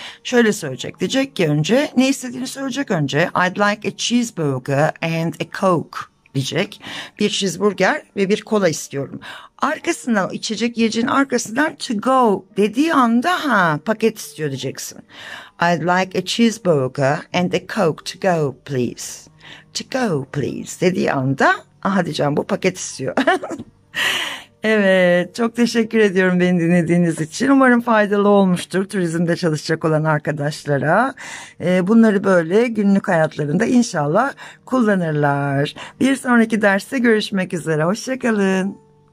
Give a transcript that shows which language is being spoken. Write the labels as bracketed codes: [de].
[tr] Şöyle söyleyecek. Diyecek ki önce ne istediğini söyleyecek önce. [en] I'd like a cheeseburger and a coke [tr] diyecek. Bir cheeseburger ve bir kola istiyorum. Arkasından içecek yiyeceğin arkasından [en] to go [tr] dediği anda ha paket istiyor diyeceksin. [en] I'd like a cheeseburger and a coke to go please. To go please [tr] dediği anda aha diyeceğim bu paket istiyor. Evet, çok teşekkür ediyorum beni dinlediğiniz için. Umarım faydalı olmuştur turizmde çalışacak olan arkadaşlara. Bunları böyle günlük hayatlarında inşallah kullanırlar. Bir sonraki derste görüşmek üzere. Hoşça kalın.